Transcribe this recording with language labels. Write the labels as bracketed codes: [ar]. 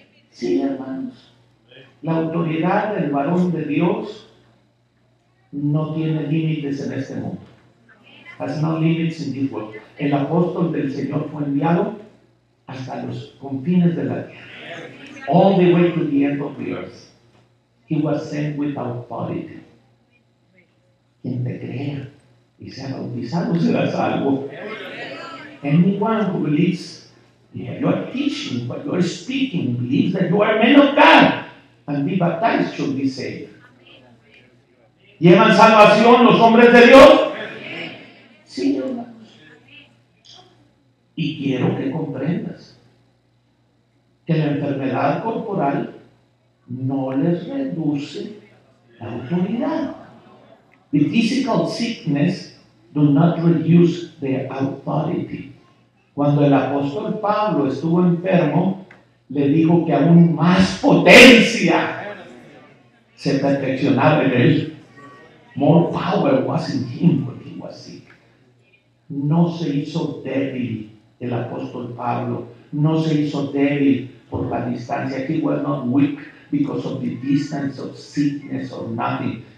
[es] Sí, hermanos. La autoridad del varón de Dios no tiene límites en este mundo. [en] Has no limits in this world. [es] El apóstol del Señor fue enviado hasta los confines de la tierra. [en] All the way to the end of the earth. He was sent with authority. [es] Quien te crea y sea bautizado será salvo. [en] Anyone who believes, yeah, you are teaching, but you are speaking, believes that you are men of God and be baptized should be saved. [es] ¿Llevan salvación los hombres de Dios? Sí, hermanos. Y quiero que comprendas que la enfermedad corporal no les reduce la autoridad. [en] The physical sickness does not reduce their authority. [es] Cuando el apóstol Pablo estuvo enfermo, le dijo que aún más potencia se perfeccionaba en él. [en] More power was in him when he was sick. [es] No se hizo débil el apóstol Pablo. No se hizo débil por la distancia. [en] He was not weak because of the distance of sickness or nothing.